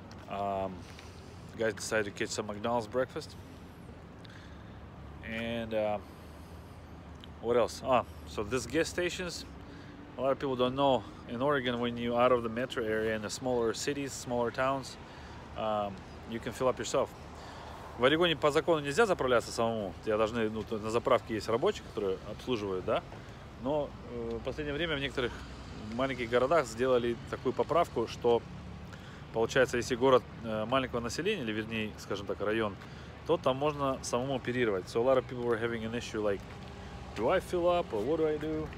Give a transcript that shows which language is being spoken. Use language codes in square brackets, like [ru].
[en] You guys decided to catch some McDonald's breakfast. And what else? So this gas stations, a lot of people don't know. In Oregon, when you're out of the metro area in the smaller cities, smaller towns, you can fill up yourself. [ru] В Орегоне по закону нельзя заправляться самому. Тебя должны, ну, на заправке есть рабочие, которые обслуживают, да? Но в последнее время в некоторых маленьких городах сделали такую поправку, что получается, если город маленького населения, или вернее, скажем так, район, то там можно самому оперировать. [en] So a lot of people were having an issue like, do I fill up or what do I do?